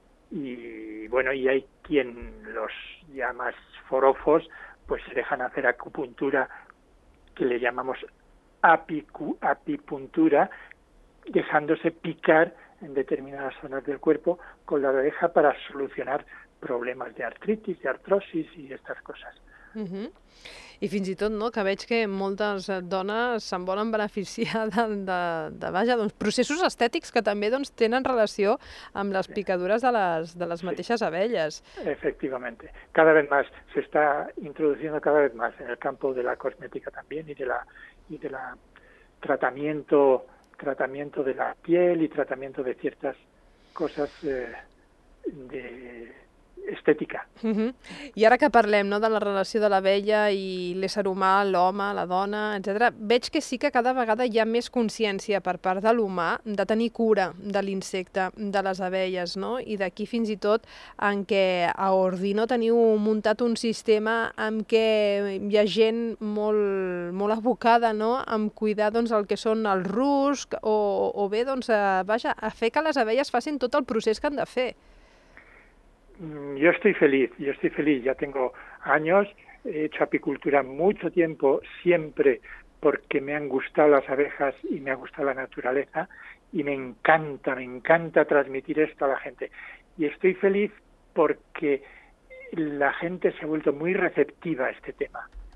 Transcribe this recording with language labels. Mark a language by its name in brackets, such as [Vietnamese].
[Spanish] Y bueno, y hay quien los llama forofos, pues se dejan hacer acupuntura, que le llamamos apipuntura, dejándose picar en determinadas zonas del cuerpo con la abeja para solucionar [Catalan] problemes de artritis, de artrosis i aquestes coses. I fins i tot, no?, que veig que moltes dones se'n volen beneficiar de vaja, doncs, processos estètics que també, doncs, tenen relació amb les picadures de les sí. mateixes abelles. [Spanish] Efectivamente. Cada vez más se está introduciendo cada vez más en el campo de la cosmética también y de la tratamiento de la piel y tratamiento de ciertas cosas de estètica. [Catalan] I ara que parlem, no, de la relació de l'abella i l'ésser humà, l'home, la dona, etc., veig que sí que cada vegada hi ha més consciència per part de l'humà de tenir cura de l'insecte, de les abelles, no? I d'aquí fins i tot en què a Ordino teniu muntat un sistema en què hi ha gent molt, molt abocada, no?, en cuidar, doncs, el que són els ruscs o bé, doncs, vaja, a fer que les abelles facin tot el procés que han de fer. [Spanish] Yo estoy feliz, ya tengo años, he hecho apicultura mucho tiempo, siempre porque me han gustado las abejas y me ha gustado la naturaleza, y me encanta transmitir esto a la gente. Y estoy feliz porque la gente se ha vuelto muy receptiva a este tema.